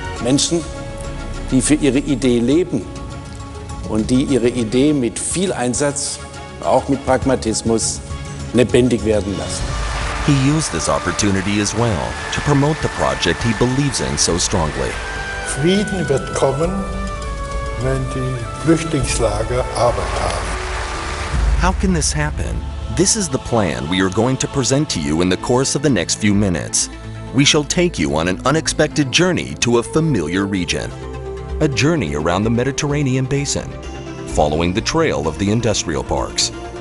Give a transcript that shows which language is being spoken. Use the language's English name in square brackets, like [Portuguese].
[German] Menschen, die für ihre Idee leben und die ihre Idee mit viel Einsatz, auch mit Pragmatismus, lebendig werden lassen. [English] He used this opportunity as well to promote the project he believes in so strongly. [German] Frieden wird kommen, wenn die Flüchtlingslager Arbeit haben. [English] How can this happen? This is the plan we are going to present to you in the course of the next few minutes. We shall take you on an unexpected journey to a familiar region, a journey around the Mediterranean basin, following the trail of the industrial parks.